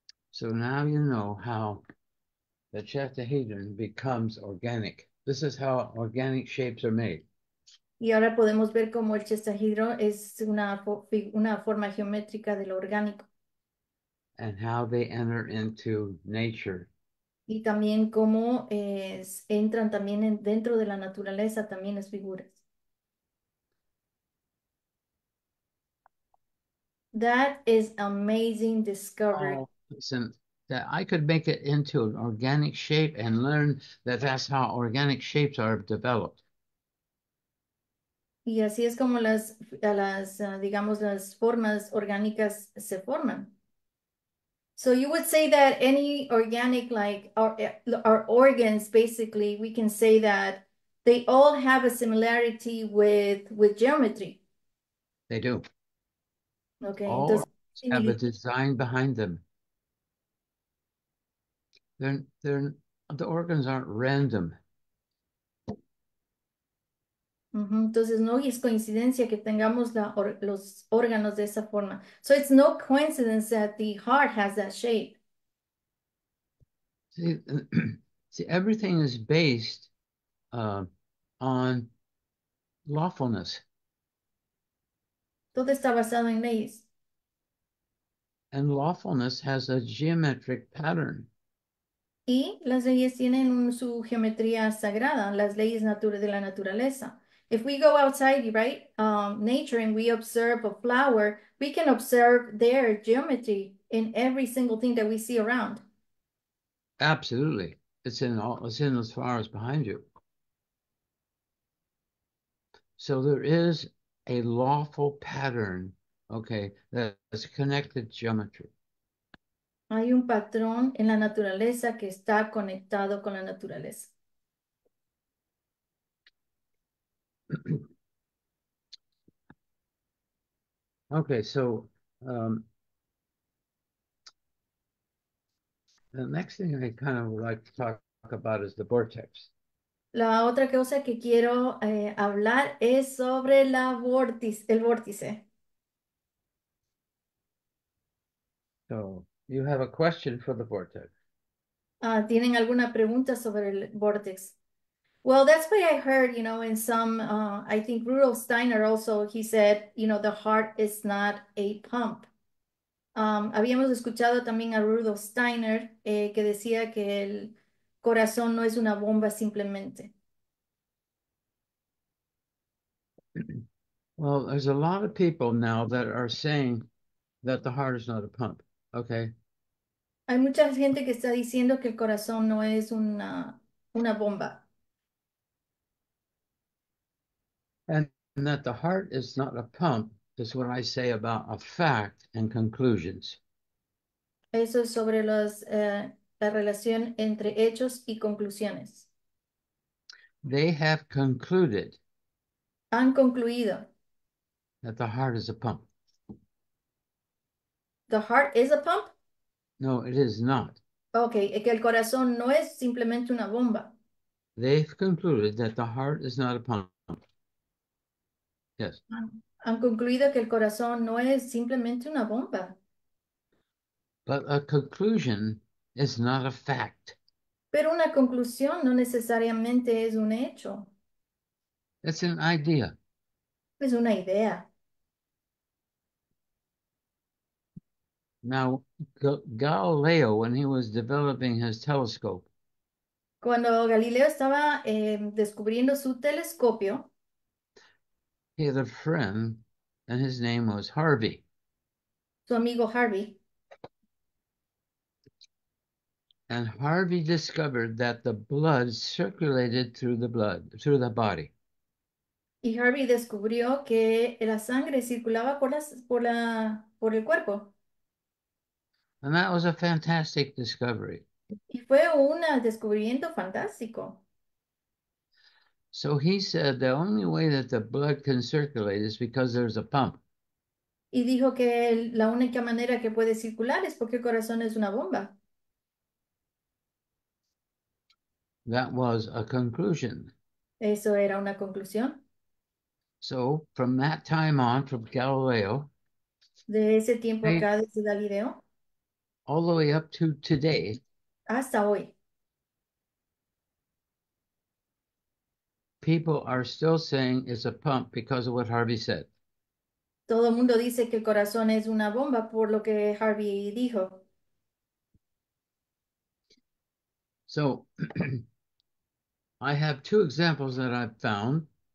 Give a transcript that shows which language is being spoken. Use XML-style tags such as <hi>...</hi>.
<en>So now you know how the chestahedron becomes organic. This is how organic shapes are made.</en> <es>Y ahora podemos ver cómo el chestahedro es una forma geométrica de lo orgánico.</es> <en>And how they enter into nature.</en> <es>Y también cómo entran también dentro de la naturaleza, también las figuras.</es> <en>That is amazing discovery. Oh, listen, that I could make it into an organic shape and learn that that's how organic shapes are developed.</en> <es>Y así es como digamos, las formas orgánicas se forman.</es> <en>So you would say that any organic, like our organs, basically, we can say that they all have a similarity with geometry. They do. Okay, All</en> <es>entonces,</es> <en>have a design behind them. The organs aren't random.</en> <es>Entonces no es coincidencia que tengamos los órganos de esa forma.</es> <en>So it's no coincidence that the heart has that shape. See, everything is based on lawfulness.</en> <es>Todo está basado en leyes.</es> <en>And lawfulness has a geometric pattern.</en> <es>Y las leyes tienen su geometría sagrada, las leyes naturales de la naturaleza.</es> <en>If we go outside, right, nature, and we observe a flower, we can observe their geometry in every single thing that we see around. Absolutely. It's in as far as behind you. So there is a lawful pattern. Okay, that's connected geometry.</en> <es>Hay un patrón en la naturaleza que está conectado con la naturaleza.</es> <en>Okay, so the next thing I kind of would like to talk about is the vortex.</en> <es>La otra cosa que quiero hablar es sobre el vórtice.</es> <en>So, you have a question for the vortex.</en> <es>¿Tienen alguna pregunta sobre el vórtice?</es> <en>Well, that's what I heard, in some, I think Rudolf Steiner also, he said, the heart is not a pump.</en> <es>Habíamos escuchado también a Rudolf Steiner que decía que el corazón no es una bomba simplemente.</es> <en>Well, there's a lot of people now that are saying that the heart is not a pump. Okay.</en> <es>Hay mucha gente que está diciendo que el corazón no es una bomba.</es> <en>And that the heart is not a pump is what I say about a fact and conclusions.</en> <es>Eso es sobre la relación entre hechos y conclusiones.</es> <en>They have concluded</en> <es>Han concluido.</es> <en>that the heart is a pump. The heart is a pump? No, it is not.</en> <es>Okay, es que el corazón no es simplemente una bomba.</es> <en>They've concluded that the heart is not a pump. Yes.</en> <es>Han concluido que el corazón no es simplemente una bomba.</es> <en>But a conclusion is not a fact.</en> <es>Pero una conclusión no necesariamente es un hecho.</es> <en>It's an idea.</en> <es>Es una idea.</es> <en>Now, Galileo, when he was developing his telescope,</en> <es>Cuando Galileo estaba descubriendo su telescopio,</es> <en>he had a friend, and his name was Harvey.</en> <es>Su amigo Harvey.</es> <en>And Harvey discovered that the blood circulated through the blood, through the body.</en> <es>Y Harvey descubrió que la sangre circulaba por el cuerpo.</es> <en>And that was a fantastic discovery.</en> <es>Y fue un descubrimiento fantástico.</es> <en>So he said the only way that the blood can circulate is because there's a pump.</en> <es>Y dijo que la única manera que puede circular es porque el corazón es una bomba.</es> <en>That was a conclusion.</en> <es>Eso era una conclusión.</es> <en>So from that time on, from Galileo,</en> <es>De ese tiempo acá, desde Galileo,</es> <en>all the way up to today,</en> <es>hasta hoy,</es> <en>people are still saying it's a pump because of what Harvey said.</en> <es>Todo el mundo dice que el corazón es una bomba por lo que Harvey dijo.</es> <en>So, I have two examples that I've found.</en>